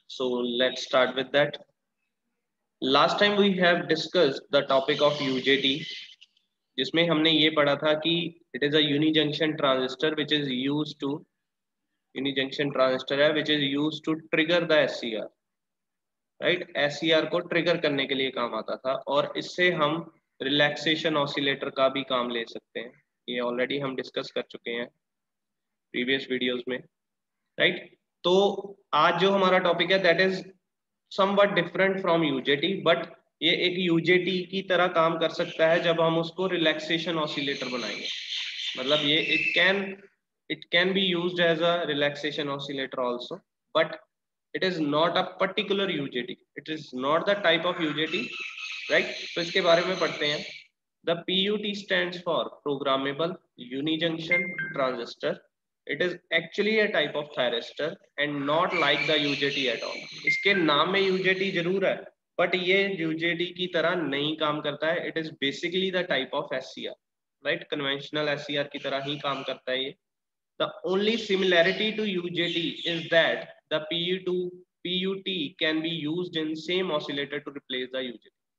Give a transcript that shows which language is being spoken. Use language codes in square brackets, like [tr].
[en] So let's start with that. Last time we have discussed the topic of UJT, [hi] jisme humne ye padha tha ki [en] it is a unijunction transistor which is used to trigger the SCR. [hi] Right SCR को trigger करने के लिए काम आता था और इससे हम रिलैक्सेशन ऑसिलेटर का भी काम ले सकते हैं. ये ऑलरेडी हम डिस्कस कर चुके हैं प्रीवियस वीडियोस में. राइट तो आज जो हमारा टॉपिक है [en] that is somewhat different from UJT, [hi] but ये एक यूजेटी की तरह काम कर सकता है जब हम उसको रिलैक्सेशन ऑसिलेटर बनाएंगे. मतलब ये [en] It can be use as a relaxation oscillator also, but It is not a particular UJT. It is not the type of UJT, right? So, [hi] इसके बारे में पढ़ते हैं. [en] The PUT stands for Programmable Unijunction Transistor. It is actually a type of thyristor and not like the UJT at all. [hi] इसके नाम में UJT जरूर है, but ये UJT की तरह नहीं काम करता है. [en] It is basically the type of SCR, right? [hi] Conventional SCR की तरह ही काम करता है ये. [en] The only similarity to UJT is that The PUT can be used in same oscillator to replace the UJT.